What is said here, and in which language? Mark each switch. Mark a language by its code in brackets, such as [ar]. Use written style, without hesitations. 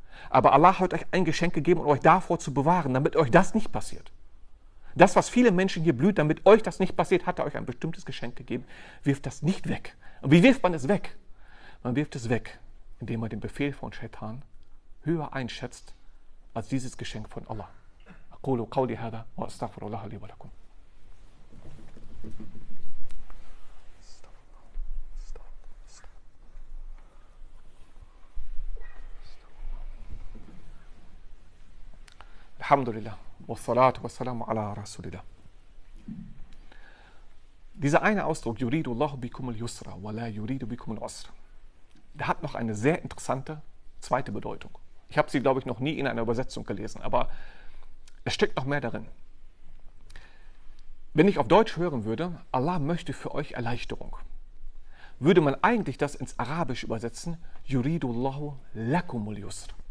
[de] Aber Allah hat euch ein Geschenk gegeben, um euch davor zu bewahren, damit euch das nicht passiert. Das, was viele Menschen hier blüht, damit euch das nicht passiert, hat er euch ein bestimmtes Geschenk gegeben. Wirft das nicht weg. Und wie wirft man es weg? Man wirft es weg, indem man den Befehl von Shaitan höher einschätzt als dieses Geschenk von Allah. [ar] أقول قولي هذا وأستغفر الله لي ولكم. الحمد لله والصلاة والسلام على رسول الله. [de] Dieser eine Ausdruck [ar] يريد الله بكم اليسر ولا يريد بكم العسر. [de] Der hat noch eine sehr interessante zweite Bedeutung. Ich habe sie, glaube ich, noch nie in einer Übersetzung gelesen, aber es steckt noch mehr darin. Wenn ich auf Deutsch hören würde, Allah möchte für euch Erleichterung, würde man eigentlich das ins Arabisch übersetzen, [ar] Yuridullahu lakumul yusr.